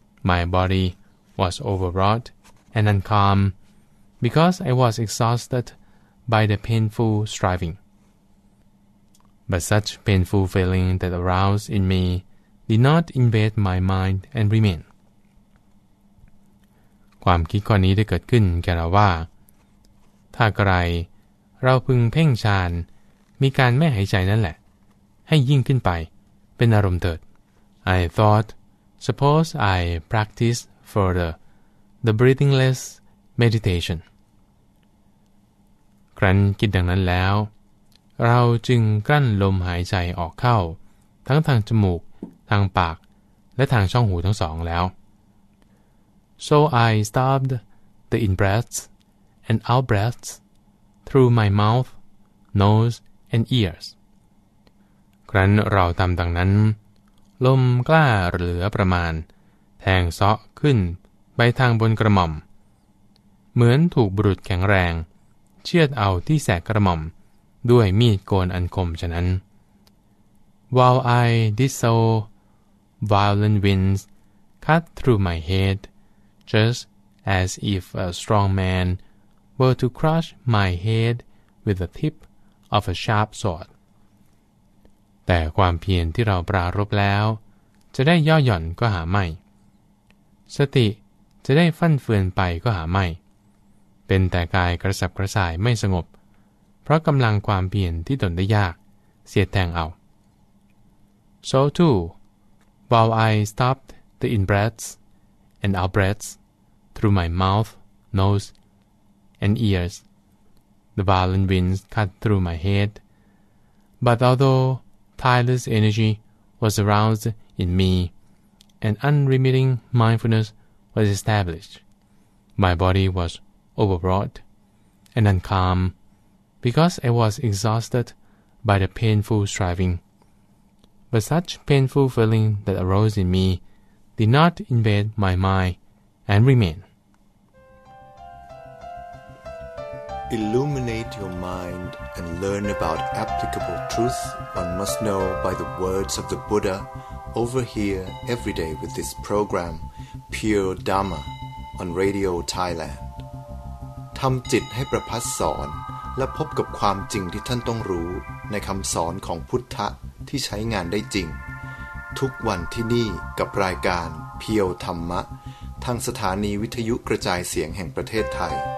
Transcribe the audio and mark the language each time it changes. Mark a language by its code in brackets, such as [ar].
[en] My body was overwrought and uncalm because I was exhausted by the painful striving. But such painful feeling that aroused in me did not invade my mind and remain. [th] ความคิดข้อนี้ได้เกิดขึ้นแก่เราว่าถ้าใครเราพึงเพ่งฌานมีการไม่หายใจนั่นแหละให้ยิ่งขึ้นไปเป็นอารมณ์เถิด [en] I thought, suppose I practice further the breathingless meditation. [th] ครั้นคิดดังนั้นแล้วเราจึงกลั้นลมหายใจออกเข้าทั้งทางจมูกทางปากและทางช่องหูทั้งสองแล้ว [en] So I stopped the in-breaths and out-breaths through my mouth, nose, and ears. [th] ครั้นเราทำดังนั้นลมกล้าเหลือประมาณแทงเซาะขึ้นไปทางบนกระหม่อมเหมือนถูกบุรุษแข็งแรงเชือดเอาที่แสกกระหม่อมด้วยมีดโกนอันคมฉะนั้น [en] While I did so, violent winds cut through my head just as if a strong man were to crush my head with the tip of a sharp sword. [th] แต่ความเพียรที่เราปรารภแล้วจะได้ย่อหย่อนก็หาไม่สติจะได้ฟั่นเฟือนไปก็หาไม่เป็นแต่กายกระสับกระส่ายไม่สงบเพราะกำลังความเพียรที่ตนได้ยากเสียดแทงเอา [en] So too, while I stopped the in-breaths and out-breaths through my mouth, nose, and ears, the violent winds cut through my head. But although tireless energy was aroused in me, an unremitting mindfulness was established. My body was overwrought and uncalm. Because I was exhausted by the painful striving. But such painful feeling that arose in me did not invade my mind and remain. Illuminate your mind and learn about applicable truth one must know by the words of the Buddha over here every day with this program, Pure Dharma, on Radio Thailand. [th] ทำจิตให้ประพัสสอนและพบกับความจริงที่ท่านต้องรู้ในคำสอนของพุทธะที่ใช้งานได้จริงทุกวันที่นี่กับรายการเพียวธรรมะทางสถานีวิทยุกระจายเสียงแห่งประเทศไทย